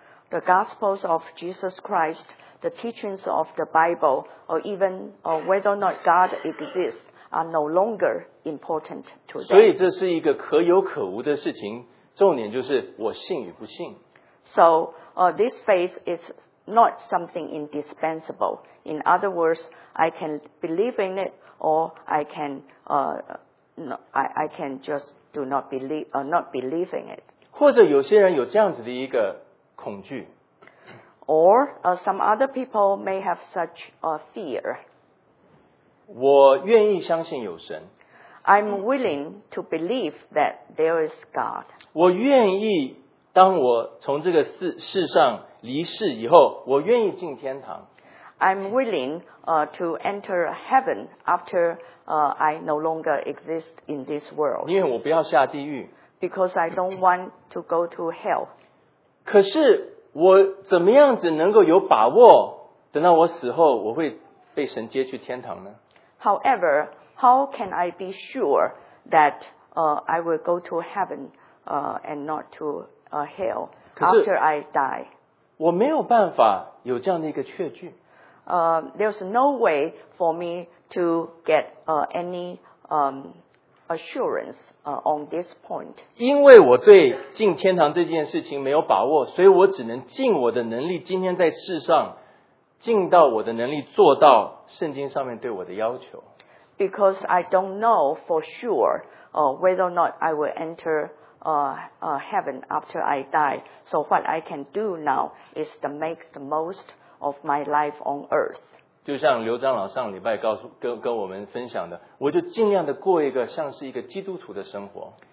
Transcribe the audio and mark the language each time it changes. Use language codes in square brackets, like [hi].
[en] The Gospels of Jesus Christ, the teachings of the Bible, or even or whether or not God exists, are no longer important to them. [zh] 所以这是一个可有可无的事情，重点就是我信与不信。 [en] So, this faith is not something indispensable. In other words, I can believe in it, or I can, I can just do not believe, not believe in it. [zh] 或者有些人有这样子的一个恐惧。 [en] Or some other people may have such a fear. [zh] 我愿意相信有神。 [en] I'm willing to believe that there is God. [zh] 我愿意当我从这个 世上离世以后，我愿意进天堂。 [en] I'm willing to enter heaven after I no longer exist in this world. [zh] 因为我不要下地狱。 [en] Because I don't want to go to hell. [zh] 可是我怎么样子能够有把握，等到我死后我会被神接去天堂呢？ [en] However, how can I be sure that I will go to heaven and not to hell after I die? [zh] 我没有办法有这样的一个确据。 [en] There's no way for me to get any assurance on this point. [zh] 因为我对进天堂这件事情没有把握，所以我只能尽我的能力，今天在世上尽到我的能力，做到圣经上面对我的要求。 [en] Because I don't know for sure whether or not I will enter heaven after I die. So what I can do now is to make the most of my life on earth. [zh] 就像刘长老上礼拜告诉 跟我们分享的，我就尽量的过一个像是一个基督徒的生活。